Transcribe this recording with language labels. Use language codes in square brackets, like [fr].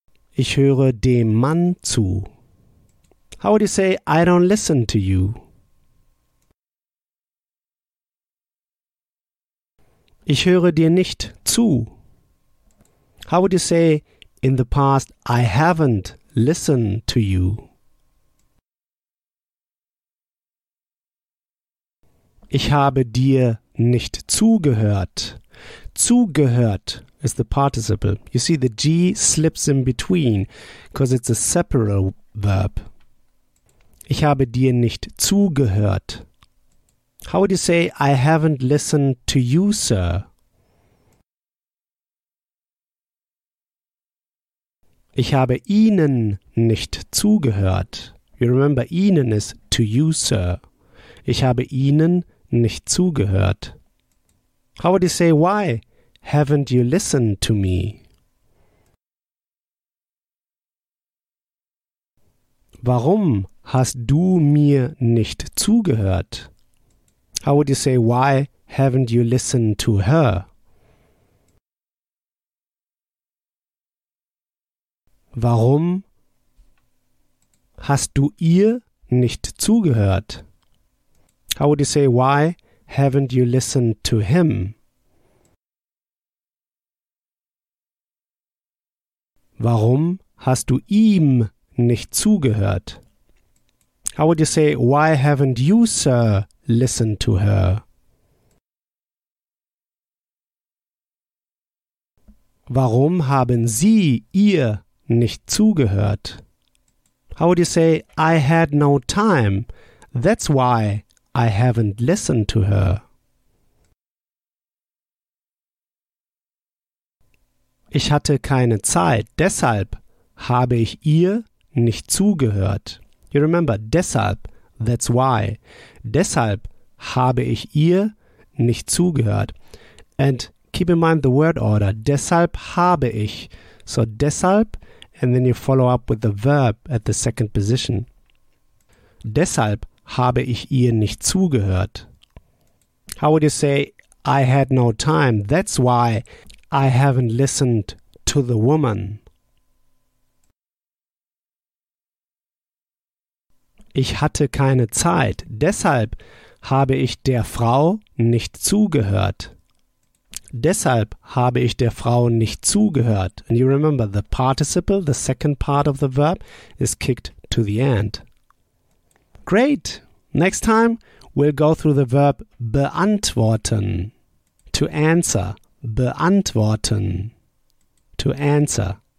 [de] Ich höre dem Mann zu. [en] How would you say, I don't listen to you? [de] Ich höre dir nicht zu. [en] How would you say, in the past, I haven't listened to you? [de] Ich habe dir nicht zugehört. Zugehört [en] is the participle. You see, the G slips in between, because it's a separate verb. [de] Ich habe dir nicht zugehört. [en] How would you say, I haven't listened to you, sir? [de] Ich habe Ihnen nicht zugehört. [en] You remember, Ihnen is to you, sir. [de] Ich habe Ihnen nicht zugehört. [en] How would you say, why haven't you listened to me? [de] Warum hast du mir nicht zugehört? [en] How would you say, why haven't you listened to her? [de] Warum hast du ihr nicht zugehört? [en] How would you say, why haven't you listened to him? [de] Warum hast du ihm nicht zugehört? [en] How would you say, why haven't you, sir, listened to her? [de] Warum haben Sie ihr nicht zugehört? [en] How would you say, I had no time, that's why I haven't listened to her? [de] Ich hatte keine Zeit, deshalb habe ich ihr nicht zugehört. [en] You remember, deshalb, that's why. [de] Deshalb habe ich ihr nicht zugehört. [en] And keep in mind the word order, [de] deshalb habe ich. [en] So deshalb, and then you follow up with the verb at the second position. [de] Deshalb habe ich ihr nicht zugehört. [en] How would you say, I had no time, that's why I haven't listened to the woman? [de] Ich hatte keine Zeit, deshalb habe ich der Frau nicht zugehört. Deshalb habe ich der Frau nicht zugehört. [en] And you remember, the participle, the second part of the verb, is kicked to the end. Great! Next time, we'll go through the verb beantworten. To answer. [de] Beantworten. [en] To answer.